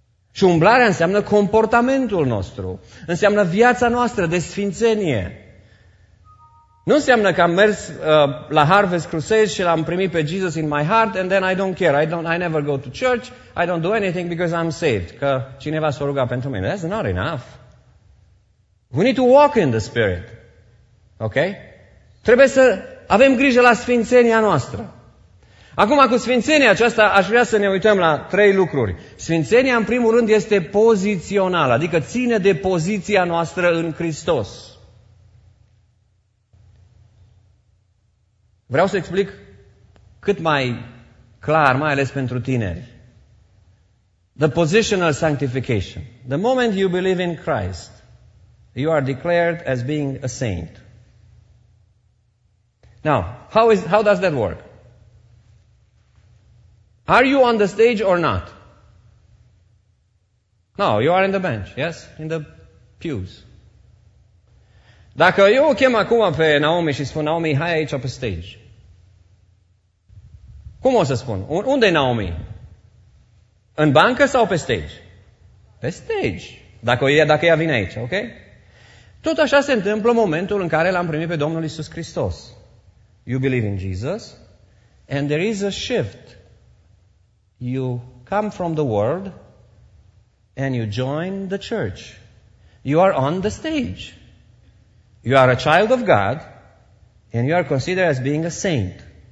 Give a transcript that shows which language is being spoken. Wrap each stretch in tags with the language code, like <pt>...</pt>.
<ro>Și umblarea înseamnă comportamentul nostru, înseamnă viața noastră de sfințenie. Nu înseamnă că am mers la Harvest Crusade și l-am primit pe Jesus</ro> <en>in my heart and then I don't care. I never go to church. I don't do anything because I'm saved.</en> <ro>Că cineva s-a rugat pentru mine.</ro> <en>That's not enough. We need to walk in the Spirit. Ok?</en> <ro>Trebuie să avem grijă la sfințenia noastră. Acum cu sfințenia aceasta aș vrea să ne uităm la 3 lucruri. Sfințenia în primul rând este pozițională, adică ține de poziția noastră în Hristos. Vreau să explic cât mai clar, mai ales pentru tineri.</ro> <en>The positional sanctification. The moment you believe in Christ, you are declared as being a saint. Now, how does that work? Are you on the stage or not? No, you are in the bench, yes? In the pews.</en> <ro>Dacă eu chem acum pe Naomi și spun, Naomi, hai aici pe stage. Cum o să spun? Unde e Naomi? În bancă sau pe stage? Pe stage. Dacă ea vine aici, ok? Tot așa se întâmplă momentul în care l-am primit pe Domnul Iisus Hristos.</ro> <en>You believe in Jesus, and there is a shift. You come from the world, and you join the church. You are on the stage. You are a child of God, and you are considered as being a saint.</en>